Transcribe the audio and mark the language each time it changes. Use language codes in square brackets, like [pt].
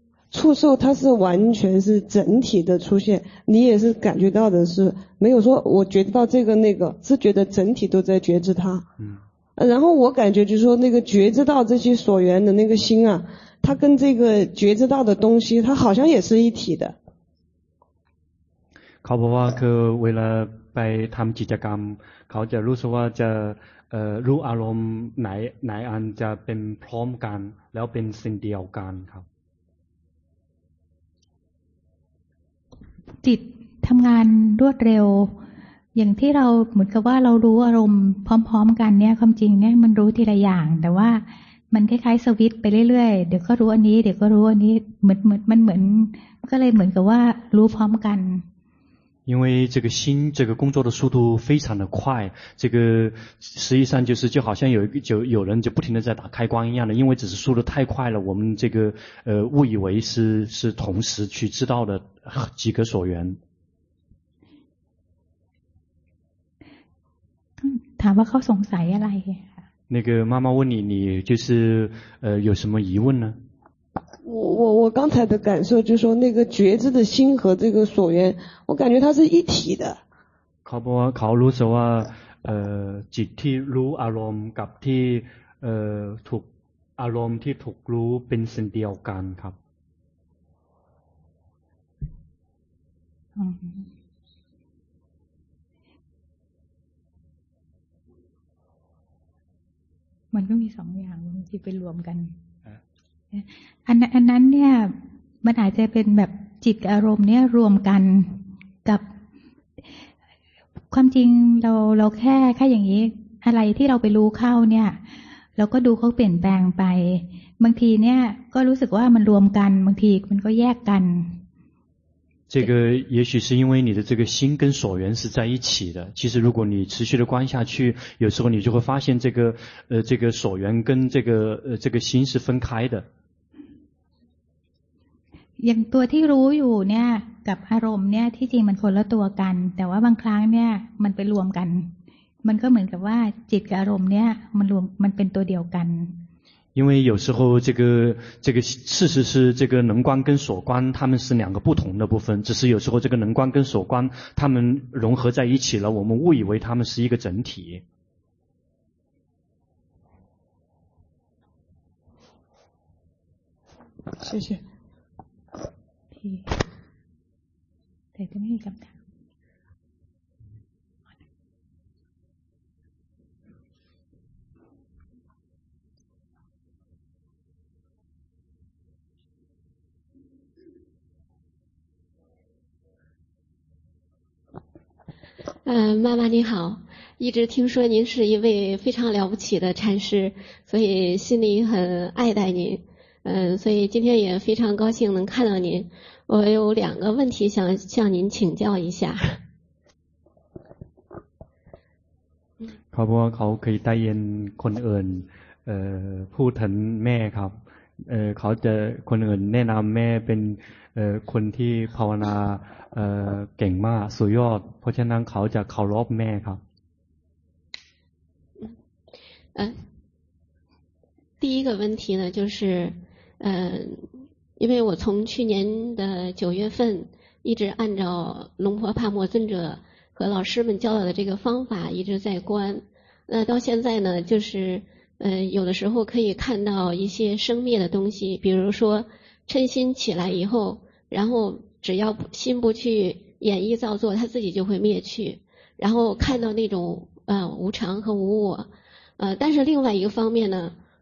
[zh] 触受它是完全是整体的出现你也是感觉到的是没有说我觉知到这个那个是觉得整体都在觉知它然后我感觉就是说那个觉知到这些所缘的那个心啊它跟这个觉知到的东西它好像也是一体的 [th] เขาบอกว่าคือเวลาไปทำกิจกรรมเขาจะรู้สึกว่าจะรู้อารมณ์ไหนอันจะเป็นพร้อมกันแล้วเป็นสิ่งเดียวกันครับ จิตทำงานรวดเร็วอย่างที่เราเหมือนกับว่าเรารู้อารมณ์พร้อมๆกันเนี่ยความจริงเนี่ยมันรู้ทีละอย่างแต่ว่ามันคล้ายๆสวิตไปเรื่อยๆเดี๋ยวก็รู้อันนี้เดี๋ยวก็รู้อันนี้เหมือนมันเหมือนก็เลยเหมือนกับว่ารู้พร้อมกัน [zh] 因为这个心这个工作的速度非常的快，这个实际上就是就好像有一个有人就不停的在打开关一样的，因为只是速度太快了，我们这个误以为是同时去知道的几个所缘。 [th] ถามว่าเขาสงสัยอะไร？ [zh] 那个妈妈问你，你就是有什么疑问呢？我刚才的感受就是说，那个觉知的心和这个所缘，我感觉它是一体的。 [th] เขารู้สึกว่าจิตที่รู้อารมณ์กับที่ถูกอารมณ์ที่ถูกรู้เป็นสิ่งเดียวกันครับ。 มันก็มีสองอย่างที่ไปรวมกันอันนั้นเนี่ยมันอาจจะเป็นแบบจิตอารมณ์เนี่ยรวมกันกับความจริงเราแค่อย่างนี้อะไรที่เราไปรู้เข้าเนี่ยเราก็ดูเขาเปลี่ยนแปลงไปบางทีเนี่ยก็รู้สึกว่ามันรวมกันบางทีมันก็แยกกัน [zh] 这个也许是因为你的这个心跟所缘是在一起的，其实如果你持续的观下去，有时候你就会发现这个所缘跟这个心是分开的。 [th] อย่างตัวที่รู้อยู่เนี่ยกับอารมณ์เนี่ยที่จริงมันคนละตัวกันแต่ว่าบางครั้งเนี่ยมันไปรวมกันมันก็เหมือนกับว่าจิตกับอารมณ์เนี่ยมันเป็นตัวเดียวกัน [zh] 因为有时候这个事实是这个能观跟所观他们是两个不同的部分，只是有时候这个能观跟所观他们融合在一起了，我们误以为他们是一个整体。谢谢。 [th] แต่ก็ไม่มีคำถาม [zh] 妈妈您好，一直听说您是一位非常了不起的禅师，所以心里很爱戴您。所以今天也非常高兴能看到您，我有两个问题想向您请教一下。 [th] ครับว่าเขาเคยได้ยินคนอื่นพูดถึงแม่ครับเขาจะคนอื่นแนะนำแม่เป็นคนที่ภาวนาเก่งมากสุดยอดเพราะฉะนั้นเขาจะเคารพแม่ครับ [zh] 第一个问题呢就是因为我从去年的九月份一直按照龙婆帕默尊者和老师们教导的这个方法一直在观，那到现在呢就是有的时候可以看到一些生灭的东西，比如说嗔心起来以后，然后只要心不去演绎造作它自己就会灭去，然后看到那种无常和无我，但是另外一个方面呢